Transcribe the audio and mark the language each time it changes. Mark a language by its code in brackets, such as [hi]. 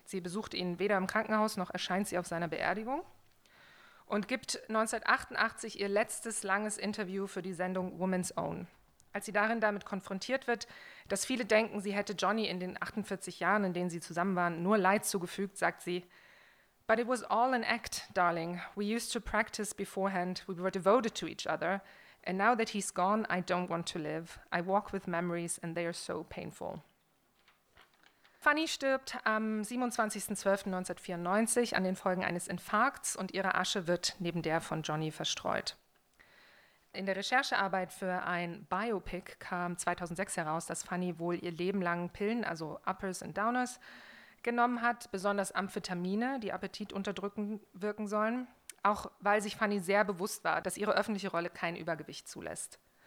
[de] Sie besucht ihn weder im Krankenhaus noch erscheint sie auf seiner Beerdigung. Und gibt 1988 ihr letztes langes Interview für die Sendung Woman's Own. Als sie darin damit konfrontiert wird, dass viele denken, sie hätte Johnny in den 48 Jahren, in denen sie zusammen waren, nur Leid zugefügt, sagt sie: [en] But it was all an act, darling. We used to practice beforehand. We were devoted to each other. And now that he's gone, I don't want to live. I walk with memories and they are so painful. [de] Fanny stirbt am 27.12.1994 an den Folgen eines Infarkts und ihre Asche wird neben der von Johnny verstreut. In der Recherchearbeit für ein Biopic kam 2006 heraus, dass Fanny wohl ihr Leben lang Pillen, also Uppers und Downers, genommen hat, besonders Amphetamine, die Appetit unterdrücken wirken sollen, auch weil sich Fanny sehr bewusst war, dass ihre öffentliche Rolle kein Übergewicht zulässt.